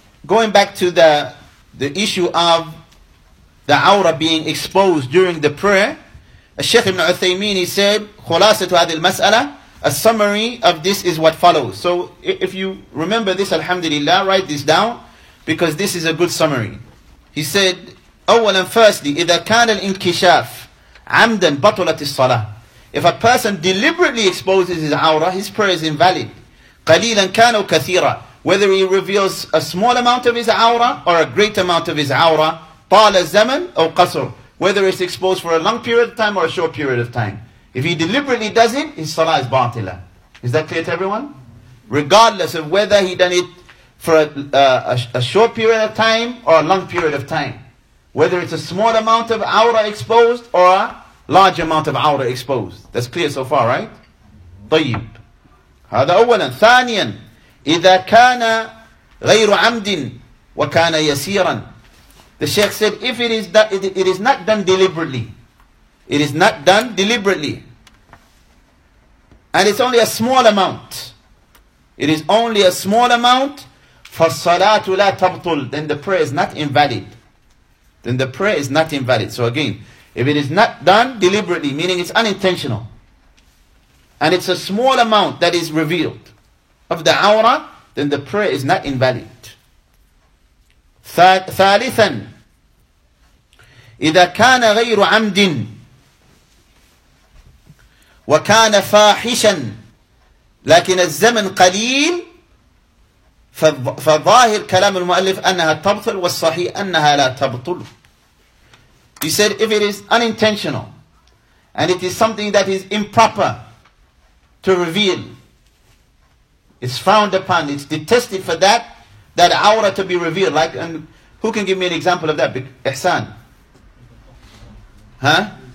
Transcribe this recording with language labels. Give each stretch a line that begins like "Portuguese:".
English: Going back to the issue of the awrah being exposed during the prayer, الشيخ ابن عثيمين, he said,
Arabic: خلاصة هذه المسألة,
English: a summary of this is what follows. So if you remember this, alhamdulillah, write this down, because this is a good summary. He said,
Arabic: أولا,
English: firstly,
Arabic: إذا كان الانكشاف عمدا بطلة الصلاة.
English: If a person deliberately exposes his awrah, his prayer is invalid.
Arabic: قليلا كان وكثيرا.
English: Whether he reveals a small amount of his awrah or a great amount of his awrah,
Arabic: طال الزمن أو قصر.
English: Whether it's exposed for a long period of time or a short period of time. If he deliberately does it, his salah is batila. Is that clear to everyone? Regardless of whether he done it for a short period of time or a long period of time. Whether it's a small amount of awrah exposed or a large amount of awrah exposed. That's clear so far, right?
Arabic: طيب. هذا أولا. ثانيا. إذا كان غير عمد وكان يسيرا.
English: The Shaykh said, if it is that it is not done deliberately, it is not done deliberately, and it's only a small amount, it is only a small amount,
Arabic: فَالصَّلَاةُ لَا تَبْطُلْ,
English: then the prayer is not invalid. Then the prayer is not invalid. So again, if it is not done deliberately, meaning it's unintentional, and it's a small amount that is revealed of the awrah, then the prayer is not invalid.
Arabic: ثالثا إذا كان غير عمد وكان فاحشا لكن الزمن قليل فظاهر كلام المؤلف أنها تبطل والصحيح أنها لا تبطل.
English: He said, if it is unintentional and it is something that is improper to reveal, it's frowned upon, it's detested for that awrah to be revealed, like, and who can give me an example of that? Ihsan. Huh?